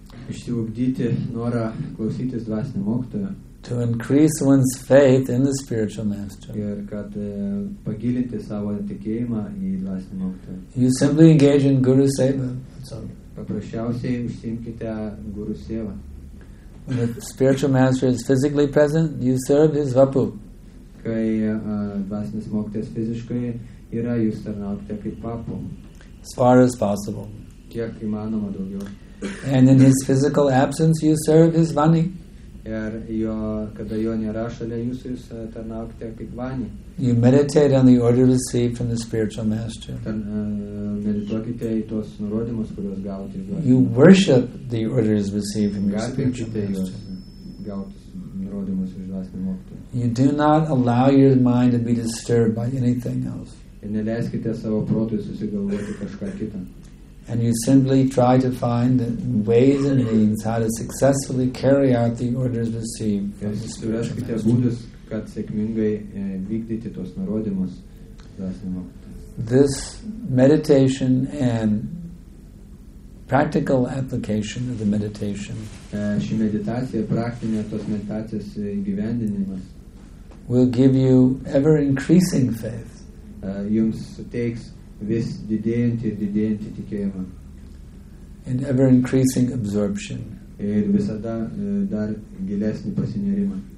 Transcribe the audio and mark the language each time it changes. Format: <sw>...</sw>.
<lt>Išsiugdyti norą klausytis dvasinio mokytojo.</lt> <en>To increase one's faith in the spiritual master.</en> <lt>Ir kad pagilinti savo tikėjimą į dvasinio mokytojo.</lt> <en>You simply engage in guru seva.</en> <lt>Paprasčiausiai užsiimkite guru seva.</lt> <en>When the spiritual master is physically present, you serve his vapu.</en> <lt>Kai dvasinis mokytojas fiziškai yra, jūs tarnaukite kaip vapu.</lt> <en>As far as possible.</en> <lt>Kiek įmanoma daugiau.</lt> <en>And in his physical absence, you serve his vani.</en> <lt>Ir jo, kada jo nėra šalia jūsų, jūs tarnaukite kaip vani.</lt> <en>You meditate on the order received from the spiritual master.</en> <lt>Medituokite į tos nurodymus, kuriuos gauti.</lt> <en>You worship the orders received from the spiritual master.</en> <lt>Gautus nurodymus iš dvasinio mokytojo.</lt> <en>You do not allow your mind to be disturbed by anything else.</en> <lt>Ir neleiskite savo protui susigalvoti kažką kitą.</lt> <en>And you simply try to find the ways and means how to successfully carry out the orders received from the spiritual</en> <lt>būdus, kad sėkmingai vykdyti tos nurodymus.</lt> <en>This meditation and practical application of the meditation</en> <lt>ši meditacija, praktinė tos meditacijos įgyvendinimas</lt> <en>will give you ever-increasing faith.</en> <lt>Jums suteiks vis didėjantį ir didėjantį tikėjimą.</lt> <en>And ever increasing absorption.</en> <lt>Ir visada dar gilesnį pasinėrimą.</lt>